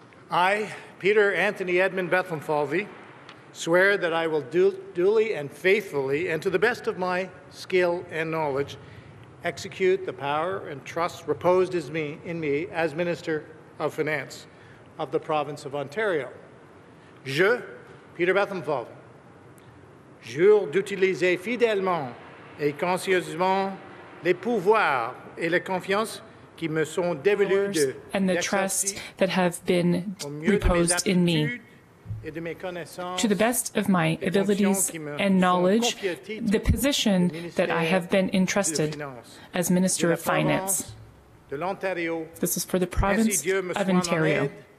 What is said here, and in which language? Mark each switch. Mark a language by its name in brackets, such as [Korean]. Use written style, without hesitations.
[English] I, Peter Anthony Edmund Bethenfalvy, swear that I will duly and faithfully and to the best of my skill and knowledge execute the power and trust reposed in me as Minister of Finance of the Province of Ontario. [French] Je, Peter Bethenfalvy, jure d'utiliser fidèlement et consciencieusement les pouvoirs et les confiances qui me sont dévolus de [English] and the trust that have been reposed in me. To the best of my abilities and knowledge, the position that I have been entrusted as Minister of Finance. This is for the province of Ontario.